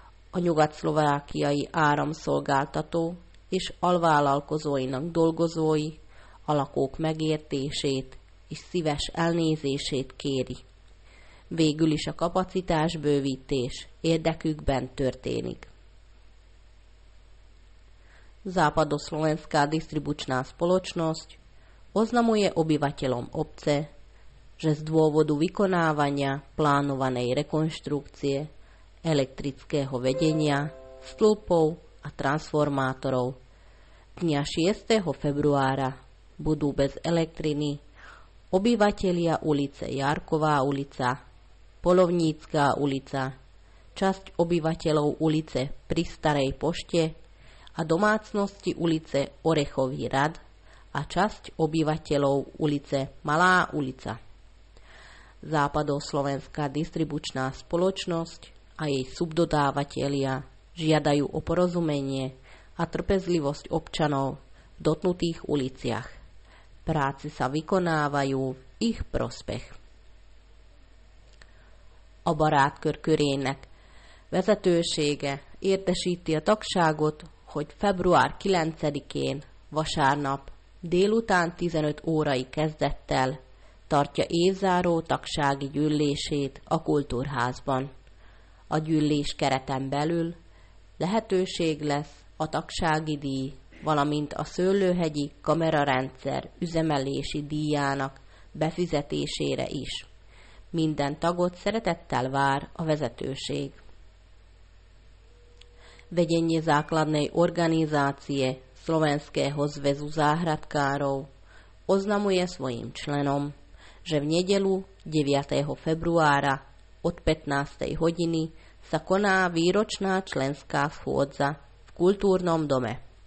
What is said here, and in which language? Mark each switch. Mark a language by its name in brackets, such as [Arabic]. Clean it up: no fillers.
[Hungarian] A nyugat-szlovákiai áramszolgáltató és alvállalkozóinak dolgozói a lakók megértését és szíves elnézését kéri. Végül is a kapacitásbővítés érdekükben történik. [Slovak] Západoszlovenská distribučná spoločnosť oznamuje obyvateľom obce, že z dôvodu vykonávania plánovanej rekonštrukcie elektrického vedenia, stĺpov a transformátorov dňa 6. februára budú bez elektriny obyvatelia ulice Jarková ulica, Polovnícká ulica, časť obyvateľov ulice pri Starej pošte a domácnosti ulice Orechový rad a časť obyvateľov ulice Malá ulica. Západoslovenská distribučná spoločnosť a jej subdodávatelia žiadajú o porozumenie a trpezlivosť občanov v dotknutých uliciach. Práce sa vykonávajú v ich prospech. [Hungarian] A Barátkör körének vezetősége értesíti a tagságot, hogy február 9-én, vasárnap, délután 15 órai kezdettel tartja évzáró tagsági gyűlését a kultúrházban. a gyűlés kereten belül lehetőség lesz a tagsági díj, valamint a Szőlőhegyi Kamerarendszer üzemelési díjának befizetésére is. Minden tagot szeretettel vár a vezetőség. [Slovak] Vedenie základnej organizácie Slovenského zväzu záhradkárov oznamuje svojim členom, že v nedeľu 9. februára od 15. hodiny sa koná výročná členská schôdza v kultúrnom dome.